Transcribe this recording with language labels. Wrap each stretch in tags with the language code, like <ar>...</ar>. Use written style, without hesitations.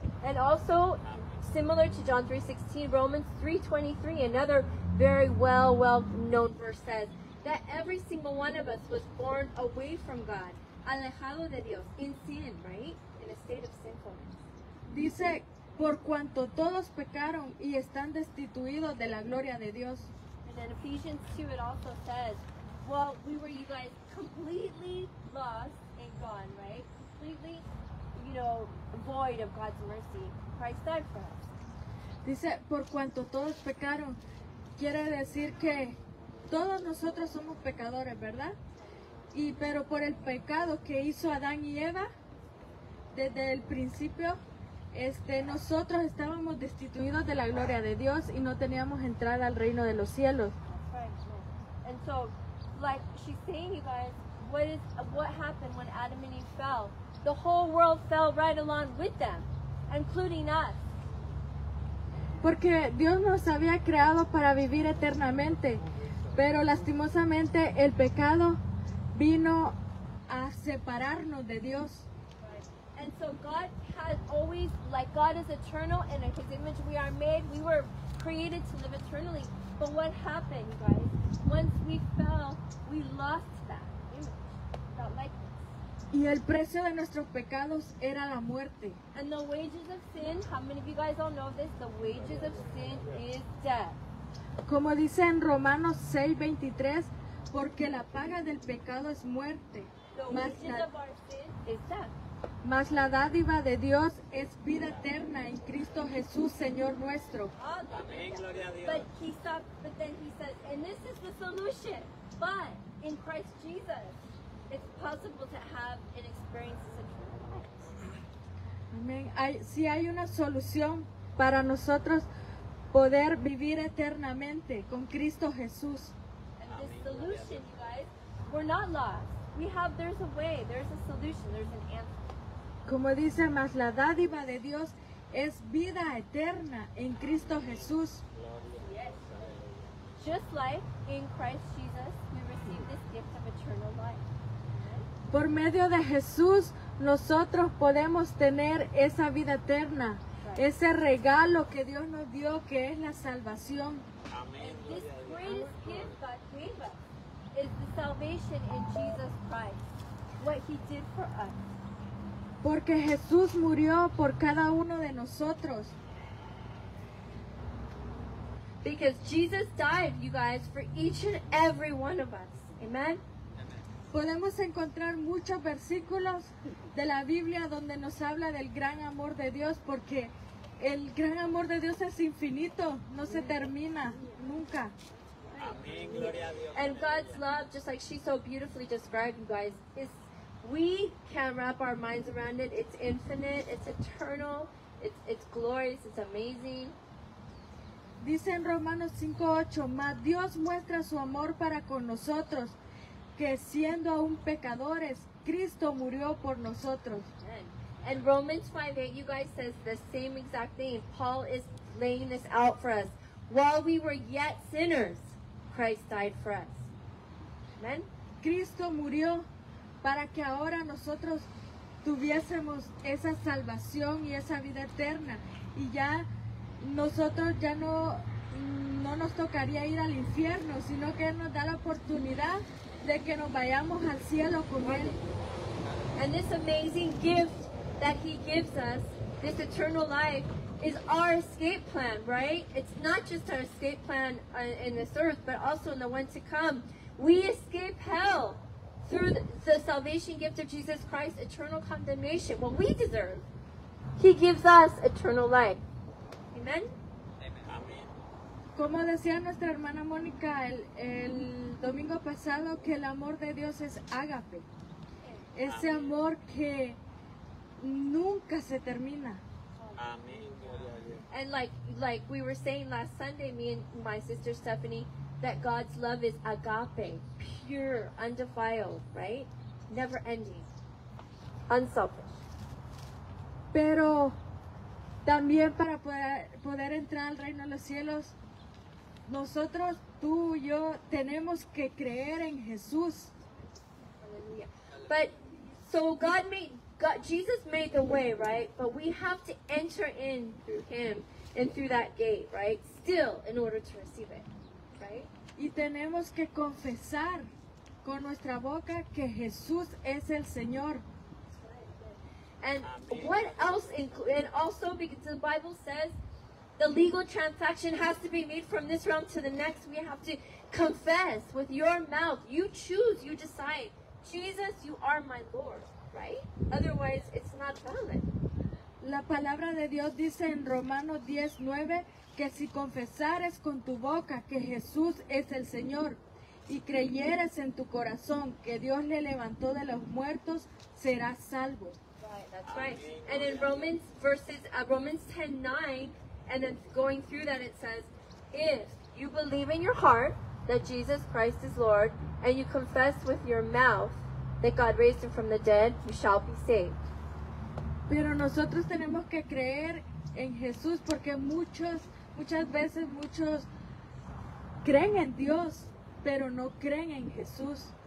<en>And also, similar to John 3:16, Romans 3:23, another very well-known verse says that every single one of us was born away from God,</en> <es>alejado de Dios,</es> <en>in sin, right? In a state of sinfulness.</en> <es>Dice, por cuanto todos pecaron y están destituidos de la gloria de Dios.</es> <en>And in Ephesians 2 it also says, well, we were, you guys, completely lost and gone, right? Completely, void of God's mercy. Christ died for us.</en> <es>Dice, por cuanto todos pecaron, quiere decir que todos nosotros somos pecadores, ¿verdad? Y pero por el pecado que hizo Adán y Eva, desde el principio, nosotros estábamos destituidos de la gloria de Dios y no teníamos entrada al reino de los cielos.</es> <en>And so, like she's saying, you guys, what happened when Adam and Eve fell? The whole world fell right along with them, including us.</en> <es>Porque Dios nos había creado para vivir eternamente, pero lastimosamente el pecado vino a separarnos de Dios.</es> <en>And so God has always, like God is eternal, and in His image we are made. We were created to live eternally. But what happened, guys? Once we fell, we lost that image, that likeness.</en> <es>Y el precio de nuestros pecados era la muerte.</es> <en>And the wages of sin, how many of you guys all know this? The wages of sin is death.</en> <es>Como dice en Romanos 6:23, porque la paga del pecado es muerte.</es> <en>The wages of our sin is death.</en> <es>Mas la dádiva de Dios es vida eterna en Cristo Jesús, Señor nuestro. Amén, gloria a Dios.</es> <en>But he stopped, but then he says, and this is the solution. But in Christ Jesus, it's possible to have an experience of eternal life.</en> <es>Amén. Si hay una solución para nosotros poder vivir eternamente con Cristo Jesús.</es> <en>And this solution, you guys, we're not lost. We have, there's a way, there's a solution, there's an answer.</en> <es>Como dice, más la dádiva de Dios es vida eterna en Cristo Jesús.</es> <en>Yes. Just like in Christ Jesus, we receive this gift of eternal life.</en> <es>Por medio de Jesús, nosotros podemos tener esa vida eterna,</es> <en>right.</en> <es>Ese regalo que Dios nos dio, que es la salvación. Amén.</es> <en>This greatest gift God gave us is the salvation in Jesus Christ. What He did for us.</en> <es>Porque Jesús murió por cada uno de nosotros.</es> <en>Because Jesus died, you guys, for each and every one of us. Amen? Amen.</en> <es>Podemos encontrar muchos versículos de la Biblia donde nos habla del gran amor de Dios, porque el gran amor de Dios es infinito, no se termina nunca.</es> <en>And God's love, just like she so beautifully described, you guys, is, we can't wrap our minds around it. It's infinite, it's eternal, it's glorious, it's amazing.</en> <es>Dice en Romanos 5:8, mas Dios muestra su amor para con nosotros, que siendo aún pecadores, Cristo murió por nosotros.</es> <en>And Romans 5:8, you guys, says the same exact thing. Paul is laying this out for us. While we were yet sinners, Christ died for us. Amen.</en> <es>Cristo murió para que ahora nosotros tuviésemos esa salvación y esa vida eterna. Y ya nosotros ya no nos tocaría ir al infierno, sino que Él nos da la oportunidad de que nos vayamos al cielo con Él.</es> <en>And this amazing gift that He gives us, this eternal life, is our escape plan, right? It's not just our escape plan in this earth, but also in the one to come. We escape hell through the salvation gift of Jesus Christ, eternal condemnation, what we deserve. He gives us eternal life. Amen? Amen.</en> <es>Como decía nuestra hermana Mónica el domingo pasado, que el amor de Dios es ágape. Ese amor que nunca se termina.</es> <en>And like we were saying last Sunday, me and my sister Stephanie, that God's love is agape, pure, undefiled, right? Never ending, unselfish.</en> <es>Pero también para poder entrar al reino de los cielos, nosotros, tú y yo, tenemos que creer en Jesús.</es> <en>Hallelujah. But so Jesus made the way, right? But we have to enter in through Him and through that gate, right? Still, in order to receive it, right?</en> <es>Y tenemos que confesar con nuestra boca que Jesús es el Señor.</es> <en>And what else, and also because the Bible says the legal transaction has to be made from this realm to the next. We have to confess with your mouth. You choose, you decide. Jesus, you are my Lord, right? Otherwise, it's not valid.</en> <es>La palabra de Dios dice en Romanos 10:9, que si confesares con tu boca que Jesús es el Señor y creyeres en tu corazón que Dios le levantó de los muertos, serás salvo.</es> <en>Right, that's right. And in Romans 10:9, and then going through that, it says, if you believe in your heart that Jesus Christ is Lord, and you confess with your mouth that God raised Him from the dead, you shall be saved.</en> <es>Pero nosotros tenemos que creer en Jesús, porque muchos muchas veces muchos creen en Dios, pero no creen en Jesús.</es>